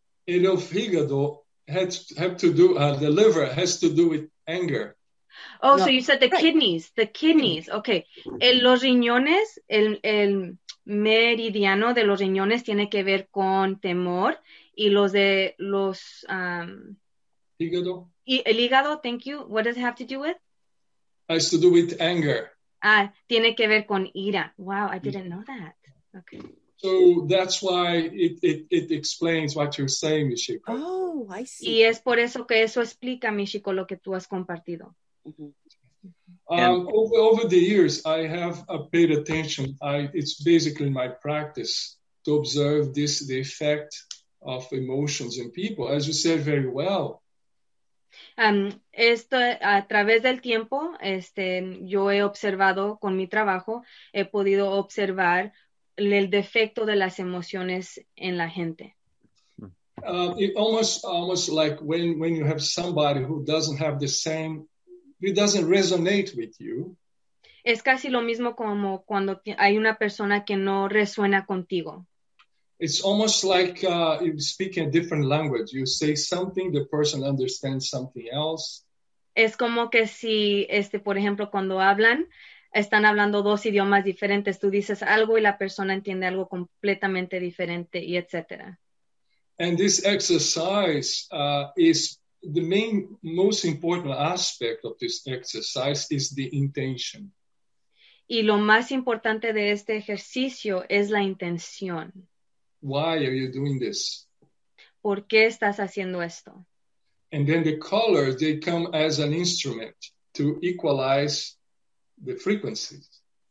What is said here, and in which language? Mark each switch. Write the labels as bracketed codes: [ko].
[en] And [es] el hígado [en] the liver has to do with anger. Oh, no. So you said the kidneys. Okay. [es] Los riñones, el meridiano de los riñones tiene que ver con temor y los de los... hígado. Y el hígado, [en] thank you. What does it have to do with? It has to do with anger. [es] Ah, tiene que ver con ira. [en] Wow, I didn't know that. Okay. So that's why it explains what you're saying, Michiko. Oh, I see. [es] Y es por eso que eso explica, Michiko, lo que tú has compartido. Mm-hmm. [en] Over the years, I have paid attention. It's basically my practice to observe the effect of emotions in people, as you said very well. [es] A través del tiempo, yo he observado con mi trabajo, he podido observar el defecto de las emociones en la gente. [en] It almost like when you have somebody who doesn't have the same. It doesn't resonate with you. [es] Es casi lo mismo como cuando hay una persona que no resuena contigo. [en] It's almost like you're speaking a different language. You say something, the person understands something else. [es] Es como que si, por ejemplo, cuando hablan, están hablando dos idiomas diferentes. Tú dices algo y la persona entiende algo completamente diferente, y etc. [en] And this exercise is... The main, most important aspect of this exercise is the intention. [es] Y lo más importante de este ejercicio es la intención. [en] Why are you doing this? [es] ¿Por qué estás haciendo esto? [en] And then the colors, they come as an instrument to equalize the frequencies.